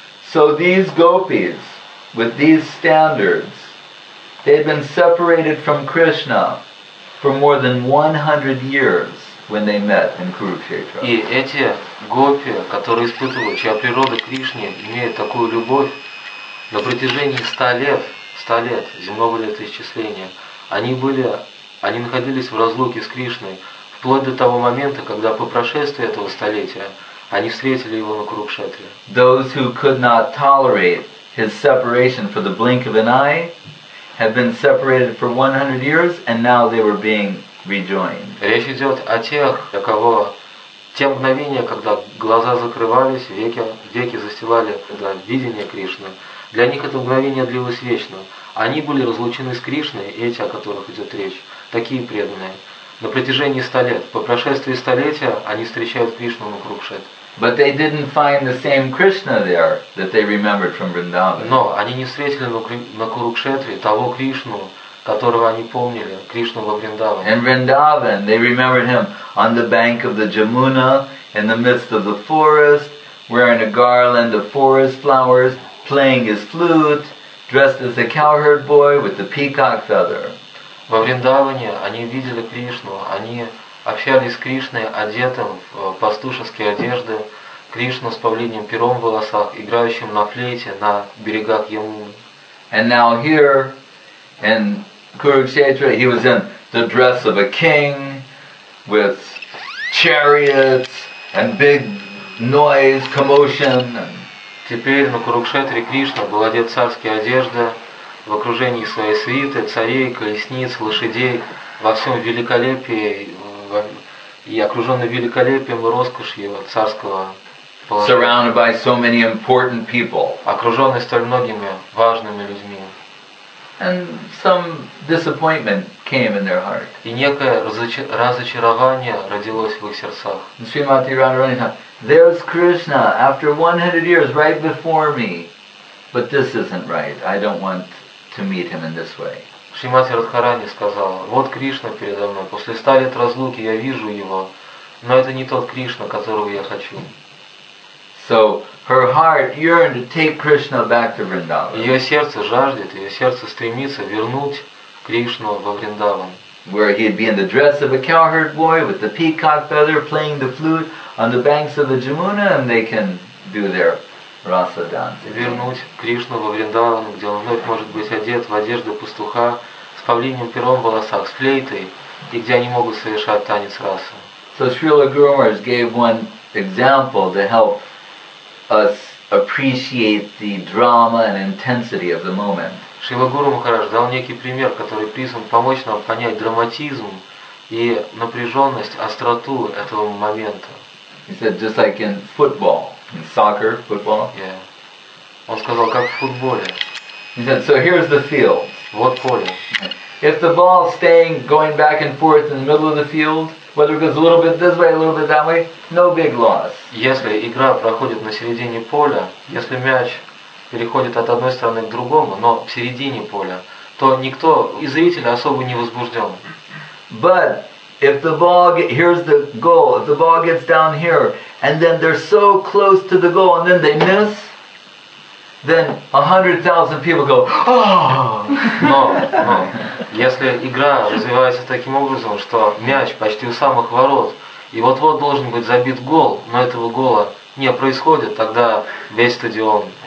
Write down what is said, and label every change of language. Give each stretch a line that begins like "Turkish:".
English: So these gopis, with these standards, they've been separated from Krishna for more than 100 years. When they met in Kurukshetra.
Russian: И эти гопи, которые испытывают, чья природа Кришне имеет такую любовь, на протяжении 100 лет, земного летоисчисления, они находились в разлуке с Кришной вплоть до того момента, когда по прошествии этого столетия они встретили его на Курукшетре.
English: Those who could not tolerate his separation for the blink of an eye have been separated for 100 years, and now they were being
Russian: Речь идет о тех, для кого те мгновения, когда глаза закрывались, веки застилали видение Кришны, для них это мгновение длилось вечно. Они были разлучены с Кришной, эти, о которых идет речь, такие преданные. На протяжении 100 лет, по прошествии столетия, они встречают Кришну на Курукшетре.
English: But they didn't find the same Krishna there that they remembered from Vrindavan.
Russian: Но они не встретили на Курукшетре того Кришну, которого они помнили, Кришну во Вриндаван.
English: In Vrindavan, they remembered him on the bank of the Jamuna, in the midst of the forest, wearing a garland of forest flowers, playing his flute, dressed as a cowherd boy with the peacock feather.
Russian: Во Вриндаване они видели Кришну, они общались с Кришной, одетым в пастушеские одежды, Кришну с павлиньим пером в волосах, играющим на флейте на берегах Ямуны.
English: And now here, in Kurukshetra, he was in the dress of a king, with chariots and big noise, commotion.
Russian: Теперь на Курукшетре Кришна был одет в царские одежды, в окружении своей свиты, царей, колесниц, лошадей, во всем великолепии и окруженный великолепием и роскошью царского положения.
English: Surrounded by so many important people.
Russian: Окруженный столь многими важными людьми.
English: And some disappointment came in their heart.
Russian: И некое разочарование родилось в их сердцах.
English: Srimati Radharani thought, there's Krishna after 100 years right before me. But this isn't right. I don't want to meet him in this way.
Russian: Шримати Радхарани сказала, вот Кришна передо мной, после 100 лет разлуки я вижу его, но это не тот Кришна, которого я хочу.
English: So her heart yearned to take Krishna back to Vrindavan.
Russian: Ее сердце жаждет, ее сердце стремится вернуть Кришну во Вриндаван.
English: Where he had been in the dress of a cowherd boy with the peacock feather playing the flute on the banks of the Jamuna, and they can do their rasa dance.
Russian: Вернуть Кришну во Вриндаван, где он вновь может быть одет в одежду пастуха с павлиньим пером в волосах, с флейтой, и где они могут совершать танец расы.
English: So Srila Guru Maharaj gave one example to help us appreciate the drama and intensity of the moment.
Russian: Шрила Гуру Махарадж дал некий пример, который призван помочь нам понять драматизм и напряженность, остроту этого момента.
English: He said, just like in football, in soccer, football.
Russian: Yeah. Он сказал, как в футболе.
English: He said, so here's the field.
Russian: Вот поле.
English: If the ball is staying, going back and forth in the middle of the field, whether it goes a little bit this way, a little bit that way, no big loss.
Russian: Если игра проходит на середине поля, если мяч переходит от одной стороны к другому, но в середине поля, то никто из зрителей особо не возбужден.
English: But if the ball here's the goal, if the ball gets down here, and then they're so close to the goal, and then they miss. Then 100,000 people go, oh!
Russian: Но, если игра развивается таким образом, что мяч почти у самых ворот, и вот-вот должен быть забит гол, но этого гола не происходит, тогда весь стадион...